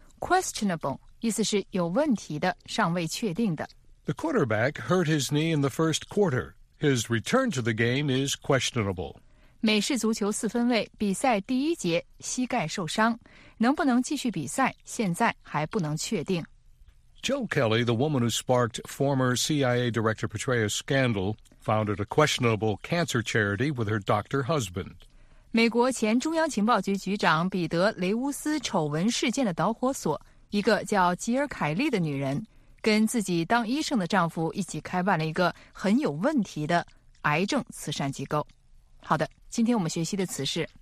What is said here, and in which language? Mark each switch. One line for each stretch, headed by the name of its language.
Chinese: Questionable 意思是有问题的，尚未确定的。
English: The quarterback hurt his knee in the first quarter. His return to the game is questionable.
Chinese: 美式足球四分卫比赛第一节膝盖受伤，能不能继续比赛，现在还不能确定。
English: Jill Kelly, the woman who sparked former CIA Director Petraeus' scandal, founded a questionable cancer charity with her doctor husband.
Chinese: 美国前中央情报局局长彼得·雷乌斯丑闻事件的导火索，一个叫吉尔·凯利的女人，跟自己当医生的丈夫一起开办了一个很有问题的癌症慈善机构。好的，今天我们学习的词是